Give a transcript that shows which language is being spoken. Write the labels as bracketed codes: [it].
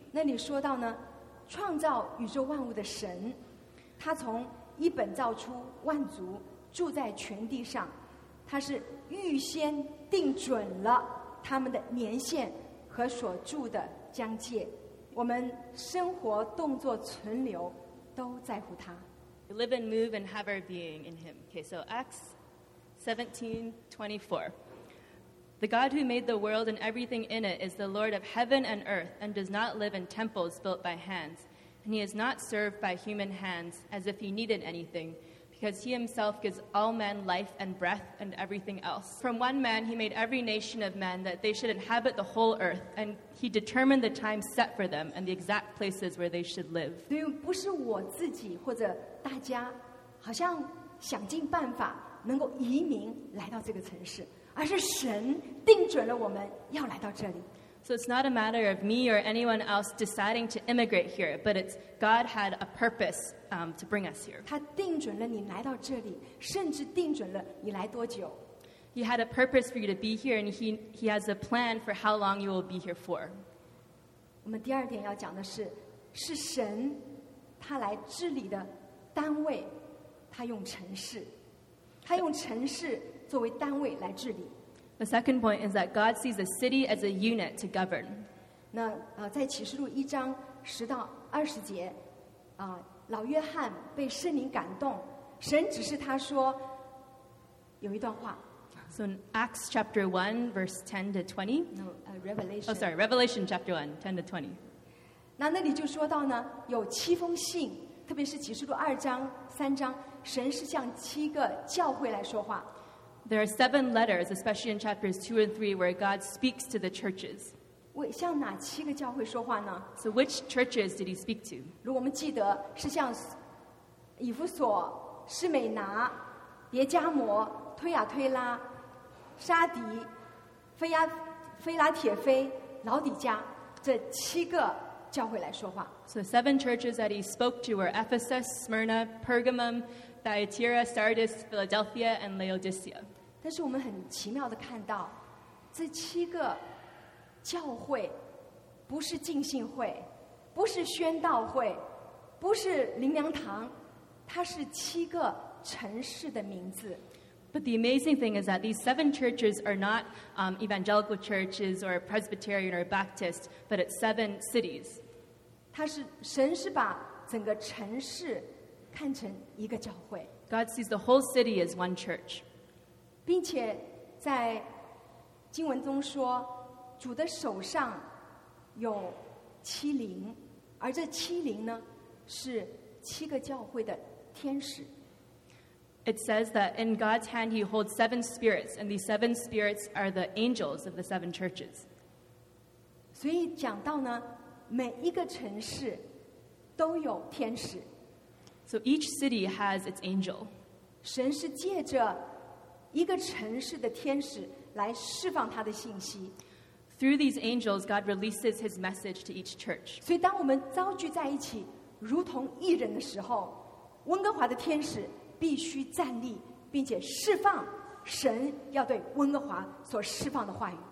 [zh] 那里说到呢, 创造宇宙万物的神, 他从一本造出万族, 住在全地上, 他是预先定准了他们的年限和所住的疆界, 我们生活动作存留, 都在乎他。 [en] We live and move and have our being in him. Okay, so Acts 17, 24. The God who made the world and everything in it is the Lord of heaven and earth and does not live in temples built by hands. And he is not served by human hands as if he needed anything, because he himself gives all men life and breath and everything else. From one man he made every nation of men that they should inhabit the whole earth, and he determined the time set for them and the exact places where they should live. [zh] 所以不是我自己或者大家好像想尽办法能够移民来到这个城市。而是神定准了我们要来到这里。 [en] So it's not a matter of me or anyone else deciding to immigrate here, but it's God had a purpose to bring us here. [zh] 他定准了你来到这里，甚至定准了你来多久。 [en] He had a purpose for you to be here, and he has a plan for how long you will be here for. [zh] 我们第二点要讲的是，是神他来治理的单位，他用城市，他用城市作为单位来治理。 [en] The second point is that God sees the city as a unit to govern. [zh] 那在启示录一章十到二十节，老约翰被圣灵感动，神指示他说有一段话。 [en] So in Acts chapter 1, verse 10 to 20. Revelation. Oh, sorry, Revelation chapter 1, 10 to 20. [zh] 那里就说到呢，有七封信，特别是启示录二章、三章，神是向七个教会来说话。 [en] There are seven letters, especially in chapters 2 and 3, where God speaks to the churches. [zh] 向哪七个教会说话呢？ [en] So which churches did he speak to? [zh] 如果我们记得，是向以弗所、施美拿、别加摩、推亚推拉、沙迪、菲拉铁菲、老底加这七个教会来说话。 [en] So seven churches that he spoke to were Ephesus, Smyrna, Pergamum, Thyatira, Sardis, Philadelphia, and Laodicea. [zh] 但是我们很奇妙地看到，这七个教会不是浸信会，不是宣道会，不是灵粮堂，它是七个城市的名字。 [en] But the amazing thing is that these seven churches are not evangelical churches or Presbyterian or Baptist, but it's seven cities. [zh] 它是神是把整个城市看成一个教会。 [en] God sees the whole city as one church. [zh] 并且在经文中说，主的手上有七灵，而这七灵呢，是七个教会的天使。 [en] It says that in God's hand he holds seven spirits, and these seven spirits are the angels of the seven churches. [zh] 所以讲到呢，每一个城市都有天使。 [en] So each city has its angel. [zh] 神是借着一个城市的天使来释放他的信息。 [en] Through these angels, God releases his message to each church. [zh] 所以当我们遭聚在一起，如同一人的时候，温哥华的天使必须站立，并且释放神要对温哥华所释放的话语。